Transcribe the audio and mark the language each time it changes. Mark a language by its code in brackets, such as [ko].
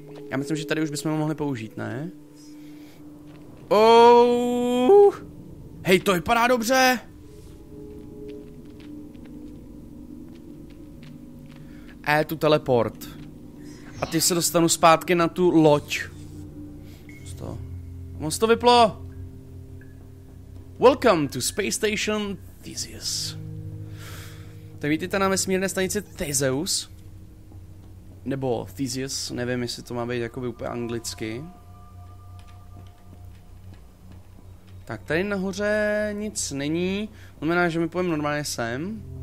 [cs] Já myslím, že tady už bychom ho mohli použít, ne? Oh! Hej, to vypadá dobře! Tu teleport. A ty se dostanu zpátky na tu loď. Co to vyplo? [en] Welcome to Space Station Theseus. [cs] Tak vítejte na vesmírné stanici Theseus. Nebo Theseus, nevím, jestli to má být jakoby úplně anglicky. Tak tady nahoře nic není, znamená, že my půjdeme normálně sem.